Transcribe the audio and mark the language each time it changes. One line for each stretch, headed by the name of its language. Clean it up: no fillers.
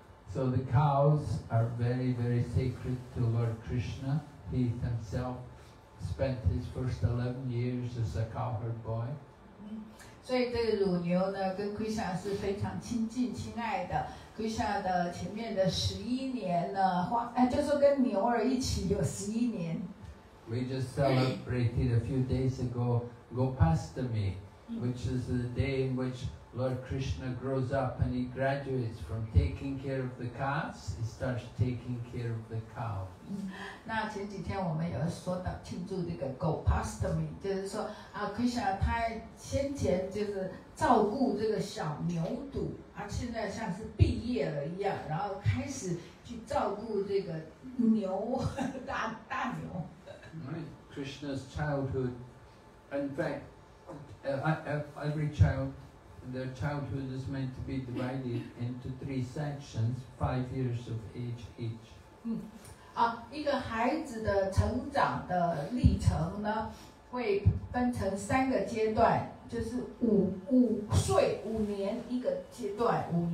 English: So the cows are very, very sacred to Lord Krishna. He himself spent his first 11 years as a cowherd boy.
Chinese: 所以这个乳牛呢，跟Krishna是非常亲近、亲爱的。 Krishna的前面的十一年呢，就是跟牛儿一起有十一年。
English: We just celebrated a few days ago Gopastami, which is the day in which Lord Krishna grows up and he graduates from taking care of the calves, he starts taking care of the cows.
Chinese: 那前几天我们有说到庆祝这个Gopastami，就是说啊， Krishna 他先前就是照顾这个小牛犊，啊，现在像是毕业了一样，然后开始去照顾这个牛大牛。
English: Krishna's childhood. In fact, every child, their childhood is meant to be divided into three sections, 5 years of age each.
Chinese: 一个孩子的成长的历程呢, 会分成三个阶段, 就是五岁五年一个阶段。